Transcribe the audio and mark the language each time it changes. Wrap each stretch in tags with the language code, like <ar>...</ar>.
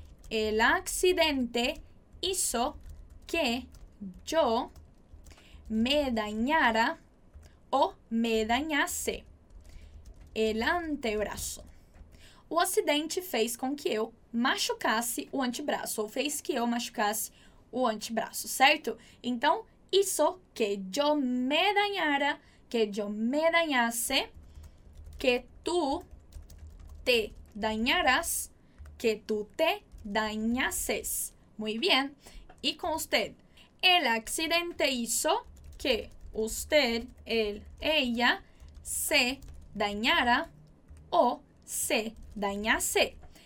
<es>El accidente hizo que yo me dañara o me dañase el antebrazo.</es> <pt>O acidente fez com que eu machucasse o antebraço, ou fez que eu machucasse o antebraço, certo?</pt> <es>Então, hizo que yo me dañara, que yo me dañase, que tú te dañaras, que tú te dañases. Muy bien. Y con usted. El accidente hizo que usted, él, ella, se dañara o se dañase.</es>